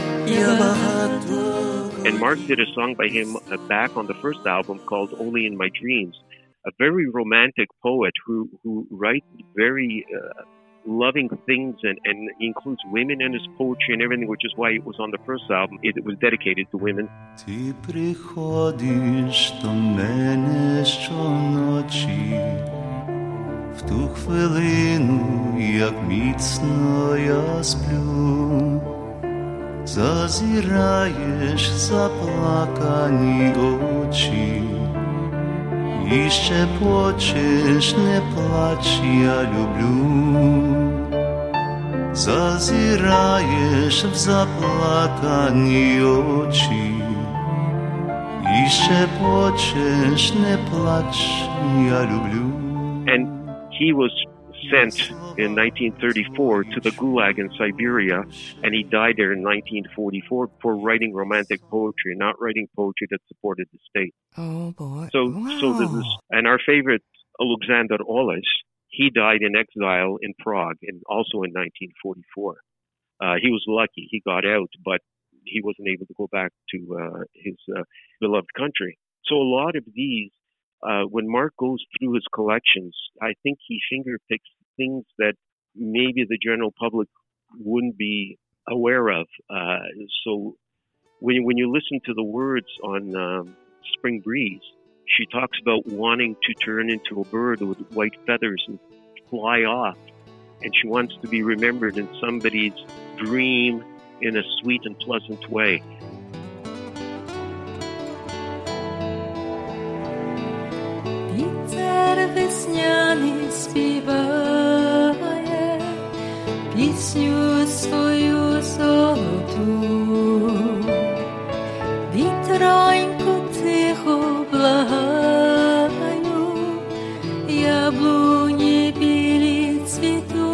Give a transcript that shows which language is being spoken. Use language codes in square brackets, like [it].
[en] And Mark did a song by him back on the first album called Only in My Dreams, a very romantic poet who writes very loving things and includes women in his poetry and everything, which is why it was on the first album. It was dedicated to women. [uk] Ти приходиш до мене щоночі, в ту хвилину, як міцно я сплю, зазираєш заплакані очі, і ще плачеш, не плач, я люблю. Зазираєш в заплакані очі, і ще плачеш, не плач, я люблю. [en] And he was sent in 1934 to the Gulag in Siberia, and he died there in 1944 for writing romantic poetry, not writing poetry that supported the state. Oh boy. So wow. So this, and our favorite Alexander Oles, he died in exile in Prague, and also in 1944. He was lucky, he got out, but he wasn't able to go back to his beloved country. So a lot of these, when Mark goes through his collections, I think he finger picks things that maybe the general public wouldn't be aware of. So when you listen to the words on Spring Breeze, she talks about wanting to turn into a bird with white feathers and fly off. And she wants to be remembered in somebody's dream in a sweet and pleasant way. [uk] Пітер весняний співає пісню свою золоту. Вітроньку тихо благаю, яблуні білі цвітуть.